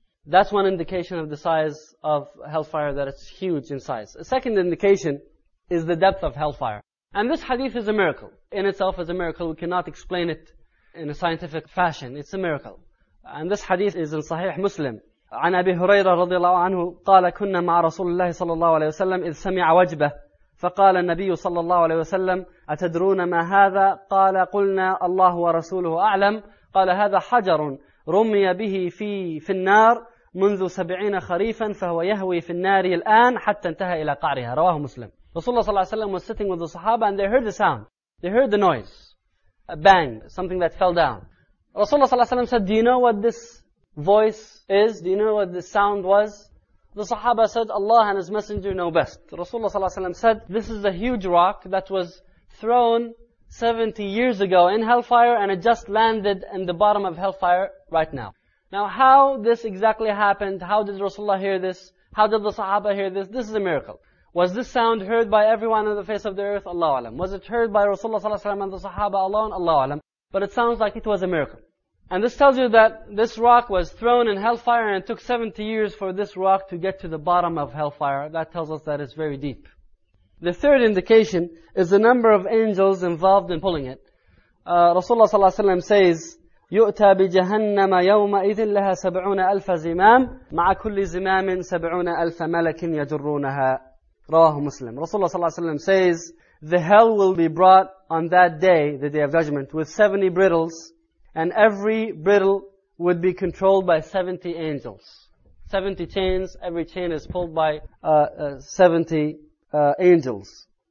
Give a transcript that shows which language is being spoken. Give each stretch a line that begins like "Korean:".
English: That's one indication of the size of hellfire, that it's huge in size. A second indication is the depth of hellfire. And this hadith is a miracle. In itself is a miracle. We cannot explain it in a scientific fashion. It's a miracle. And this hadith is in Sahih Muslim.
Arabic: عن أبي هريرة رضي الله عنه قال كنا مع رسول الله صلى الله عليه وسلم إذ سمع وجبة فقال النبي صلى الله عليه وسلم أتدرون ما هذا قال قلنا الله ورسوله أعلم قال هذا حجر رمي به في النار منذ 70 خريفا فهو يهوي في النار الآن حتى انتهى إلى قعرها رواه مسلم.
English: رسول الله
Arabic: صلى الله عليه وسلم
English: was sitting with the Sahaba and they heard the sound, they heard the noise, a bang, something that fell down. رسول الله
Arabic: صلى الله عليه وسلم
English: said, do you know what this voice is? Do you know what the sound was? The Sahaba said, Allah and His Messenger know best. Rasulullah ﷺ said, this is a huge rock that was thrown 70 years ago in hellfire and it just landed in the bottom of hellfire right now. Now how this exactly happened? How did Rasulullah hear this? How did the Sahaba hear this? This is a miracle. Was this sound heard by everyone on the face of the earth? Allahu alam. Was it heard by Rasulullah ﷺ and the Sahaba alone? Allahu alam. But it sounds like it was a miracle. And this tells you that this rock was thrown in hellfire and it took 70 years for this rock to get to the bottom of hellfire. That tells us that it's very deep. The third indication is the number of angels involved in pulling it. Rasulullah sallallahu alaihi wasallam says,
Arabic: يُؤْتَى بِجَهَنَّمَ يَوْمَئِذٍ لَهَا 70,000 زِمَامٍ مَعَ كُلِّ زِمَامٍ 70,000 مَلَكٍ يَجُرُّونَهَا رواه مسلم.
English: Rasulullah sallallahu alaihi wasallam says, the hell will be brought on that day, the day of judgment, with 70 brittles. And every brittle would be controlled by 70 angels. 70 chains, every chain is pulled by 70 angels.